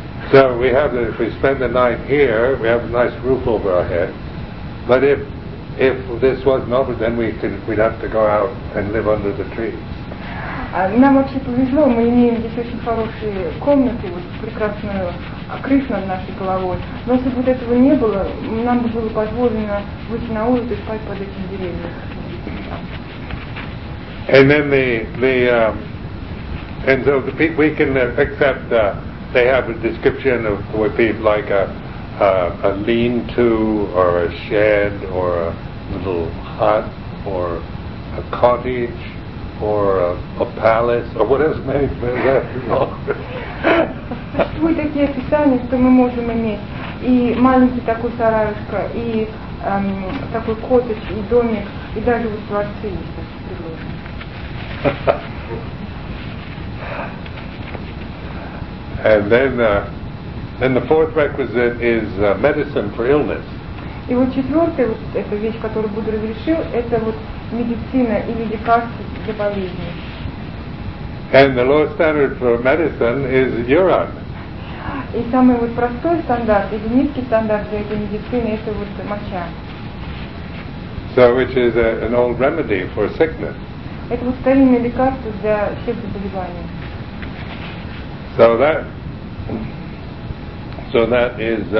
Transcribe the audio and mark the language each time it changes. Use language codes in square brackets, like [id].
[en] So we have that if we spend the night here, we have a nice roof over our head. But if this was not, then we'd have to go out and live under the trees. [ru] Нам вообще повезло, мы имеем здесь очень хорошие комнаты, вот прекрасную крышу над нашей головой. Но если бы вот этого не было, нам бы было позволено выйти на улицу и спать под этим деревом. [en] And then we can accept they have a description of what people like a lean-to or a shed or a little hut or a cottage or a palace or whatever may be left. [ru] Существуют такие описания, что мы можем иметь и маленький такой сарайшко, и такой коттедж, и домик, и даже вот дворцы есть. [en] And then the fourth requisite is medicine for illness. [ru] И вот четвертая вот эта вещь, которую Будда разрешил, это вот медицина или лекарства для болезней. [en] And the lowest standard for medicine is urine. [ru] И самый вот простой стандарт или низкий стандарт для этой медицины это вот моча. [en] So which is an old remedy for sickness. [ru] Это вот старинное лекарство для всех заболеваний.